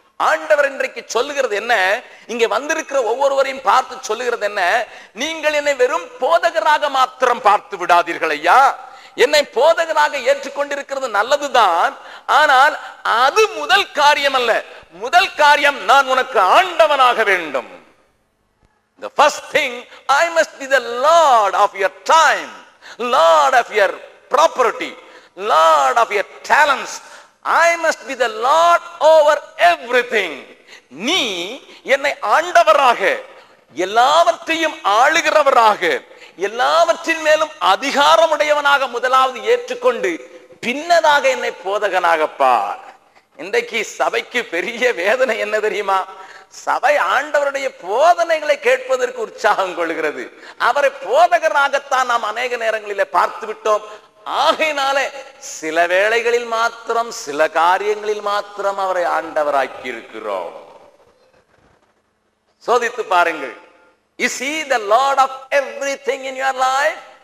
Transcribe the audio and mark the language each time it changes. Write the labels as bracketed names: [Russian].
[Tamil] ஆண்டவர் இன்றைக்கு சொல்லுகிறது என்ன, இங்க வந்திருக்கிற ஒவ்வொருவரையும் பார்த்து சொல்லுகிறது என்ன, நீங்கள் என்னை வெறும் போதகராக மாத்திரம் பார்த்து விடாதீர்கள். ஐயா, என்னை போதகராக ஏற்றுக்கொண்டிருக்கிறது நல்லதுதான், ஆனால் அது முதல் காரியம் அல்ல. முதல் காரியம், நான் உனக்கு ஆண்டவனாக வேண்டும். [English] The first thing, I must be the Lord of your time, Lord of your property, Lord of your talents. I must be the Lord over everything. [Tamil] நீ என்னை ஆண்டவராக, எல்லாவற்றையும் ஆளுகிறவராக, எல்லாவற்றின் மேலும் அதிகாரமுடையவனாக முதலாவது ஏற்றுக்கொண்டு பின்னதாக என்னை போதகனாக பார். இன்றைக்கு சபைக்கு பெரிய வேதனை என்ன தெரியுமா, சபை ஆண்டவருடைய போதனைகளை கேட்பதற்கு உற்சாகம் கொள்கிறது. அவரை போதகராகத்தான் நாம் அநேக நேரங்களிலே பார்த்து விட்டோம். ஆகையினாலே சில வேளைகளில் மாத்திரம், சில காரியங்களில் மாத்திரம் அவரை ஆண்டவராக்கி இருக்கிறோம். சோதித்து பாருங்கள். [English] Is he the Lord of everything in your life?